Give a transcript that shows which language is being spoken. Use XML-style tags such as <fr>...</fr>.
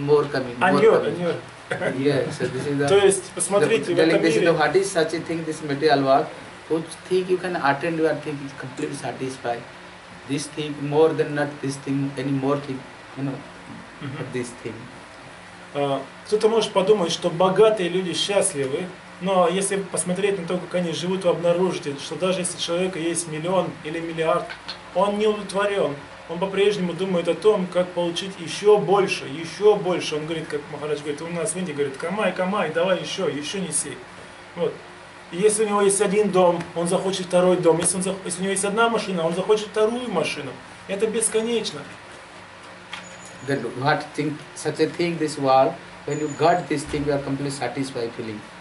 <ru>То есть, посмотрите, в этом мире...</ru> <en>What is such a thing, this material world? Which thing you can attend, you are thinking completely satisfied. This thing, more than not this thing, any more thing, you know, this thing.</en> <ru>Кто-то может подумать, что богатые люди счастливы, но если посмотреть на то, как они живут, вы обнаружите, что даже если у человека есть миллион или миллиард, он не удовлетворен. Он по-прежнему думает о том, как получить еще больше, еще больше. Он говорит, как Махарадж говорит, у нас в Индии говорит, камай, давай еще, еще неси. Вот. И если у него есть один дом, он захочет второй дом. Если у него есть одна машина, он захочет вторую машину. Это бесконечно.</ru> <en>Then what thing, such a thing this world, when you got this thing, you are completely satisfied feeling.</en>